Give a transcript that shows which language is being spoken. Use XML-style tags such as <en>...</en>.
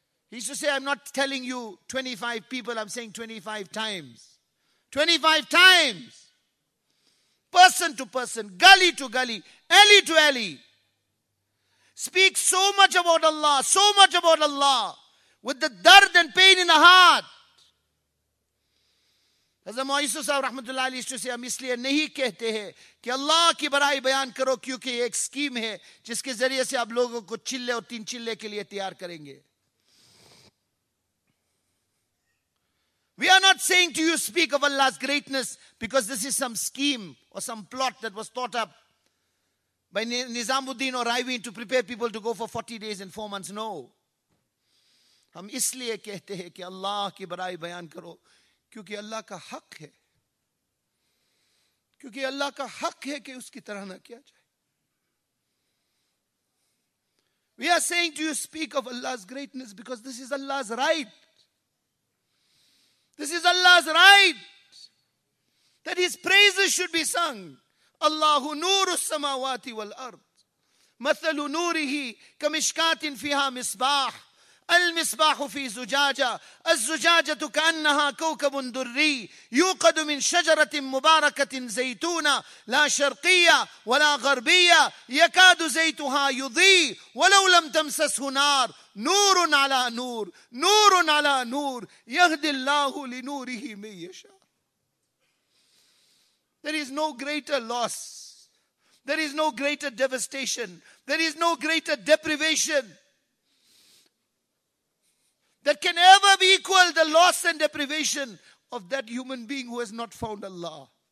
<en>He used to say, I'm not telling you 25 people, I'm saying 25 times. 25 times. Person to person, gully to gully, alley to alley. Speak so much about Allah, so much about Allah. With the dard and pain in the heart. Hazrat Moisus Sahib Rahmatullah Ali used to say,</en> <ur>ہم اس لیے نہیں کہتے ہیں کہ اللہ کی برائی بیان کرو کیونکہ یہ ایک سکیم ہے جس کے ذریعے سے آپ لوگوں کو چلے اور تین چلے کے لیے تیار کریں گے.</ur> <en>We are not saying to you speak of Allah's greatness because this is some scheme or some plot that was thought up by Nizamuddin or Raiwin to prepare people to go for 40 days and 4 months. No.</en> <ur>ہم اس لیے کہتے ہیں کہ اللہ کی برائی بیان کرو کیونکہ اللہ کا حق ہے. کیونکہ اللہ کا حق ہے کہ اس کی طرح نہ کیا جائے.</ur> <en>We are saying to you speak of Allah's greatness because this is Allah's right. This is Allah's right. That his praises should be sung.</en> <ar>Allahu nuru samawati wal ard. Mathalu nurihi kamishkatin fiha misbah. المصباح في زجاجة الزجاجة كأنها كوكب دري يوقد من شجرة مباركة زيتونة لا شرقية ولا غربية يكاد زيتها يضيء ولو لم تمسسه نار نور على نور نور على نور يهدي الله لنوره من يشاء.</ar> <en>There is no greater loss. There is no greater devastation. There is no greater deprivation that can ever be equal the loss and deprivation of that human being who has not found Allah.</en>